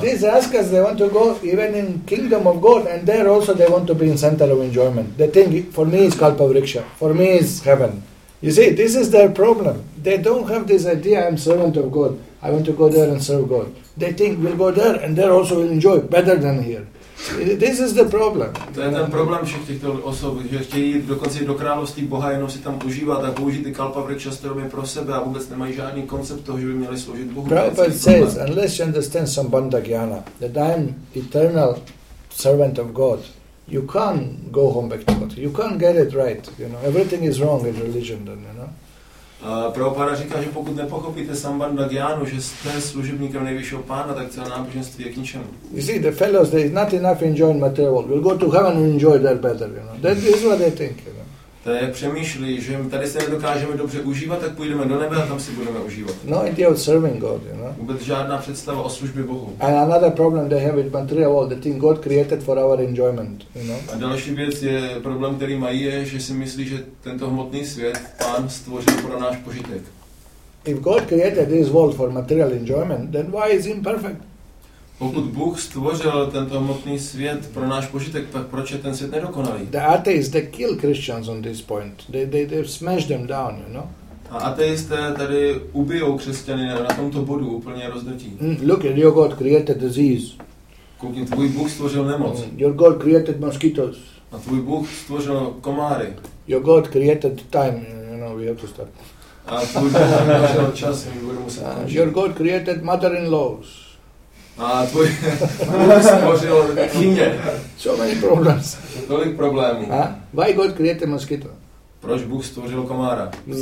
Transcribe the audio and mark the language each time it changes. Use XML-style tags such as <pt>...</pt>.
<en>These rascals, they want to go even in kingdom of God and there also they want to be in center of enjoyment. The thing for me is Kalpavriksha. For me is heaven. You see, this is their problem. They don't have this idea, I'm servant of God. I want to go there and serve God. They think we'll go there and there also we'll enjoy better than here. This is the problem.</en> <cs>To je ten problém všech těchto osob, že chtějí jít dokonce do království Boha, jenom si tam užívat a použít ty Kalpavriksha stromy pro sebe a vůbec nemají žádný koncept toho, že by měli sloužit Bohu.</cs> <en>Prabhupada says, unless you understand some Bandha Gyana, that I am eternal servant of God, you can't go home back to God. You can't get it right. You know, everything is wrong in religion then, you know.</en> <cs>Prabhupada říká, že pokud nepochopíte Sambandha Gyanu, že jste služebníkem nejvyššího pána, tak celé náboženství je k ničemu.</cs> <en>You see, the fellows, there is not enough enjoying material. We'll go to heaven and enjoy there better, you know. That is what they think, you know.</en> <cs>Tady přemýšlí, že tady se nedokážeme dobře užívat, tak půjdeme do nebe a tam si budeme užívat.</cs> <en>No idea of serving God, you know.</en> <cs>Vůbec žádná představa o službě Bohu.</cs> <en>And another problem they have with material world, the thing God created for our enjoyment, you know.</en> <cs>A další věc je problém, který mají, je, že si myslí, že tento hmotný svět Pán stvořil pro náš požitek.</cs> <en>If God created this world for material enjoyment, then why is it perfect?</en> <cs>Pokud Bůh stvořil tento hmotný svět pro náš požitek, tak proč je ten svět nedokonalý?</cs> <en>The atheists, they kill Christians on this point. They smash them down, you know.</en> <cs>A ateisté tady ubijou křesťany na tomto bodu úplně rozdrtí.</cs> <en>Look, your God created disease.</en> <cs>Koukni, tvůj Bůh stvořil nemoc.</cs> <en>Your God created mosquitoes.</en> <cs>A tvůj Bůh stvořil komáry.</cs> <en>Your God created time, you know, we have to start.</en> <cs>A tvůj Bůh stvořil čas, my budeme muset končit.</cs> <en>Your God created mother-in-laws.</en> <cs>A tvůj stvořil kyně.</cs> <en>So many problems.</en> <cs>Tolik problémů.</cs> <en>Why God created mosquito?</en> <cs>Proč Bůh stvořil komára?</cs>